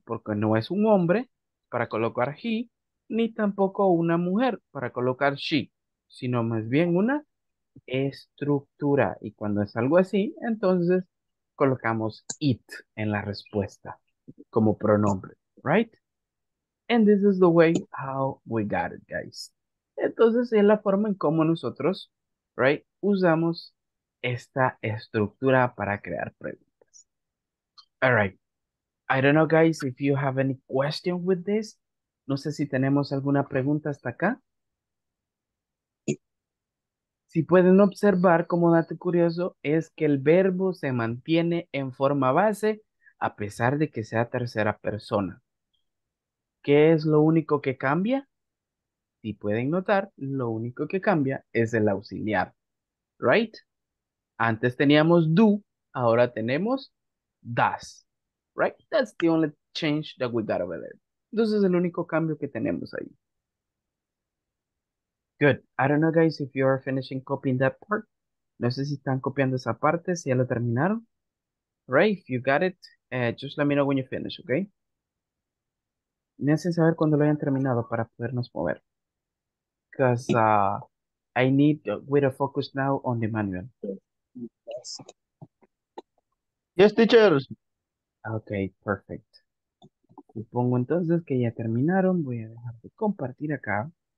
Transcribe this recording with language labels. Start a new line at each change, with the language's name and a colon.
Spanish: Porque no es un hombre para colocar he, ni tampoco una mujer para colocar she, sino más bien una estructura, y cuando es algo así, entonces colocamos it en la respuesta como pronombre, right?
English: And this is the way how we got it, guys.
Spanish: Entonces es la forma en cómo nosotros, right, usamos esta estructura para crear preguntas.
English: All right. I don't know, guys, if you have any question with this.
Spanish: No sé si tenemos alguna pregunta hasta acá. Si pueden observar, como dato curioso, es que el verbo se mantiene en forma base a pesar de que sea tercera persona. ¿Qué es lo único que cambia? Si pueden notar, lo único que cambia es el auxiliar. ¿Right? Antes teníamos do, ahora tenemos does. ¿Right?
English: That's the only change that we got over there.
Spanish: Entonces, es el único cambio que tenemos ahí.
English: Good. I don't know, guys, if you are finishing copying that part.
Spanish: No sé si están copiando esa parte, si ya lo terminaron.
English: Right, if you got it, just let me know when you finish, okay?
Spanish: Me hacen saber cuando lo hayan terminado para podernos mover.
English: Because I need we to focus now on the manual. Yes, teachers. Okay, perfect.
Spanish: Supongo entonces que ya terminaron. Voy a dejar de compartir acá.